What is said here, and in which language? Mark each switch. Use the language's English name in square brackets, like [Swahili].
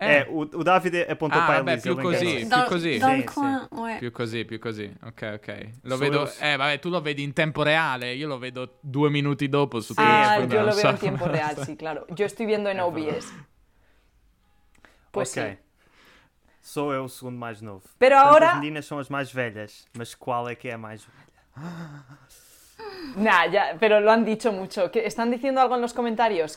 [Italian] O Davide è punto per Elisa. Ah, più così, più così. Sì, sì. Più così. Ok. Lo vedo... vabbè, tu lo vedi in tempo reale. Io lo vedo 2 minuti dopo su Twitter. Ah, io lo vedo in tempo reale, sì, claro. Io sto vedendo in OBS. Pues ok. [Portuguese] Sou eu o segundo mais novo. [Italian] Però ora... [Portuguese] As meninas são as mais velhas. Mas qual é que é a mais velha? [Spanish] Nah, ya, pero lo han dicho mucho. Están diciendo algo en los comentarios.